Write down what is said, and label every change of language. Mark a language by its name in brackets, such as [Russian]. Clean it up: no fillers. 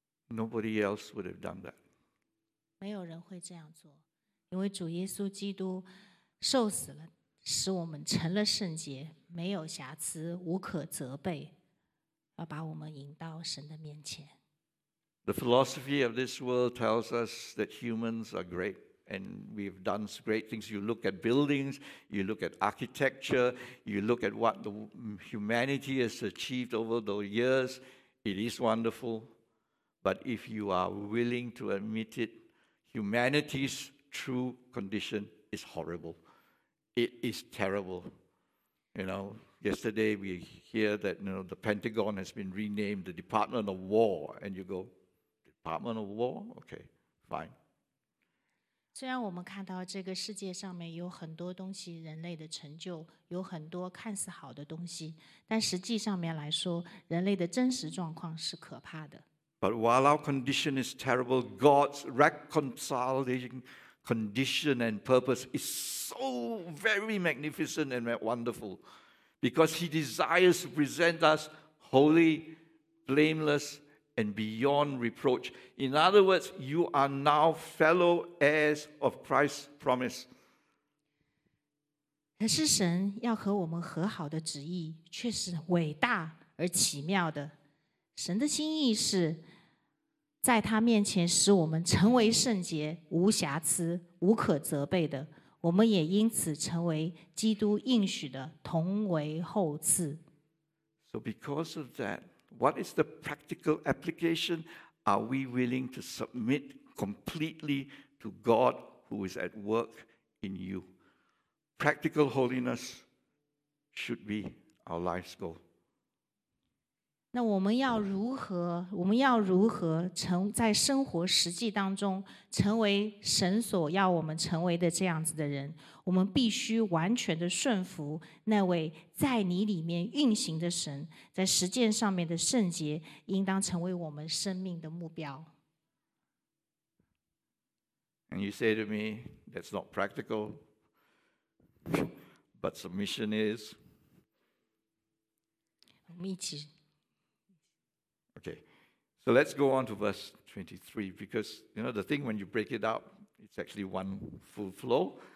[English] Nobody else would have done that. [Chinese] 没有人会这样做，因为主耶稣基督受死了，使我们成了圣洁，没有瑕疵，无可责备，要把我们引到神的面前。 [English] The philosophy of this world tells us that humans are great and we've done great things. You look at buildings, you look at architecture, you look at what the humanity has achieved over the years. It is wonderful. But if you are willing to admit it, humanity's true condition is horrible. It is terrible. You know, yesterday we hear that, you know, the Pentagon has been renamed the Department of War, and you go,Department of War? Okay, fine. [Chinese] 虽然我们看到这个世界上面有很多东西，人类的成就，有很多看似好的东西，但实际上面来说，人类的真实状况是可怕的。 [English] But while our condition is terrible, God's reconciling condition and purpose is so very magnificent and wonderful, because He desires to present us holy, blameless. And beyond reproach. In other words, you are now fellow heirs of Christ's promise. [Chinese] 可是神要和我们和好的旨意却是伟大而奇妙的。神的心意是在他面前使我们成为圣洁、无瑕疵、无可责备的。我们也因此成为基督应许的同为后嗣。 [English] So because of that,What is the practical application? Are we willing to submit completely to God who is at work in you? Practical holiness should be our life's goal. [Chinese] 那我们要如何？我们要如何成在生活实际当中成为神所要我们成为的这样子的人？我们必须完全的顺服那位在你里面运行的神，在实践上面的圣洁应当成为我们生命的目标。 [English] And you say to me, that's not practical, but submission is. [Chinese] 我们一起。 [English] Okay, so let's go on to verse 23, because, you know, the thing when you break it up, it's actually one full flow.